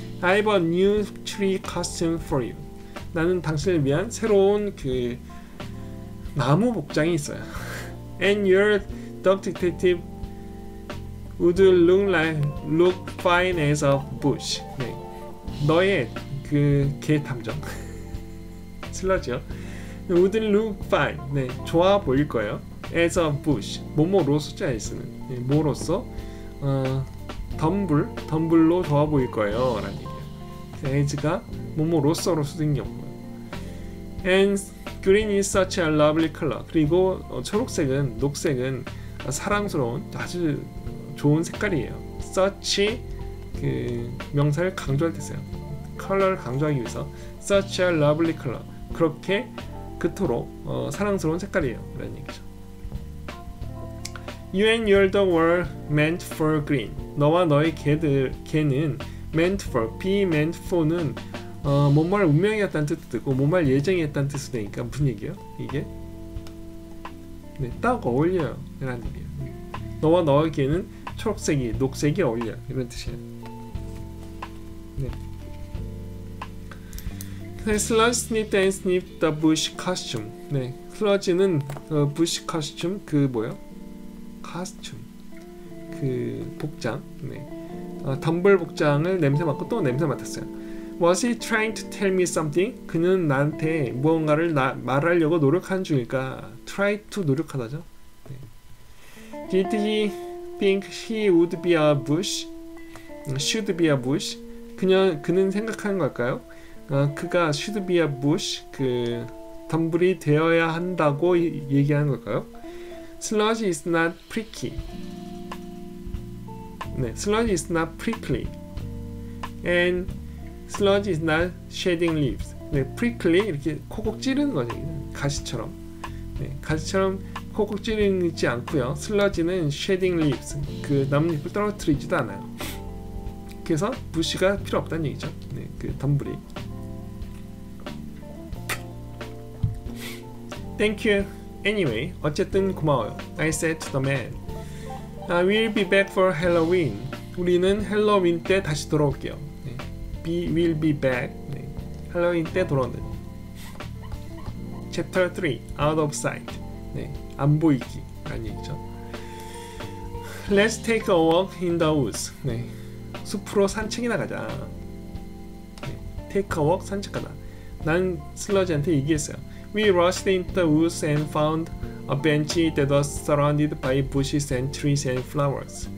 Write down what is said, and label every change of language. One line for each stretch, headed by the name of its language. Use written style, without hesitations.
English: I have a new tree costume for you.
Korean: 나는 당신을 위한 새로운 그 나무 복장이 있어요.
English: And your dog detective would look like look fine as a bush.
Korean: 네. 너의 그 개 탐정 슬러지요.
English: Would look fine.
Korean: 네, 좋아 보일 거예요.
English: As a bush.
Korean: 뭐뭐로서지 않으시는. 네, 뭐로서? 덤블. 덤블로 좋아 보일 거예요. 라는 얘기예요. 그래서 as가 뭐뭐로서로 쓰는 게 없고요.
English: And green is such a lovely color.
Korean: 그리고 초록색은, 녹색은 사랑스러운 아주 좋은 색깔이에요. Such 그 명사를 강조할 때 써요. Color를 강조하기 위해서
English: Such a lovely color.
Korean: 그렇게 그토록 사랑스러운 색깔이에요. 라는 얘기죠.
English: You and your dog were meant for green.
Korean: 너와 너의 개는 meant for, be meant for는 뭔말 운명이었다는 뜻도 있고 뭔말 예정이었다는 뜻도 되니까 무슨 얘기예요? 이게? 네, 딱 어울려요. 이런 얘기예요. 너와 너의 개는 초록색이, 녹색이 어울려. 이런 뜻이에요. 네.
English: Sludge sniffed and sniffed the bush costume.
Korean: 네, Sludge는 bush costume, 그 뭐요? costume, 그 복장. 네, Dumble 복장을 냄새 맡고 또 냄새 맡았어요.
English: Was he trying to tell me something?
Korean: 그는 나한테 무언가를 말하려고 노력한 중일까? Try to 노력하다죠. 네.
English: Did he think he would be a bush? Should be a bush?
Korean: 그는 생각한 걸까요? 그가
English: should be a bush,
Korean: 그 덤불이 되어야 한다고 얘기하는 걸까요?
English: Sludge is not prickly. 네, sludge is not prickly. And sludge is not shedding leaves.
Korean: 네, prickly 이렇게 코곡 찌르는 거죠. 가시처럼. 네, 가시처럼 코곡 찌르지 않고요. Sludge는 shedding leaves, 그 나뭇잎을 떨어뜨리지도 않아요. 그래서 bush가 필요 없다는 얘기죠. 네, 그 덤불이.
English: Thank you. Anyway,
Korean: 어쨌든 고마워요.
English: I said to the man, We'll be back for Halloween.
Korean: 우리는 할로윈 때 다시 돌아올게요. 네.
English: We'll be back.
Korean: 네. 할로윈 때 돌아오는.
English: Chapter 3. Out of sight.
Korean: 네. 안 보이기. 라는 얘기죠.
English: Let's take a walk in the woods.
Korean: 네. 숲으로 산책이나 가자.
English: 네. Take a walk.
Korean: 산책하자. 난 슬러지한테 얘기했어요.
English: We rushed into the woods and found a bench that was surrounded by bushes and trees and flowers.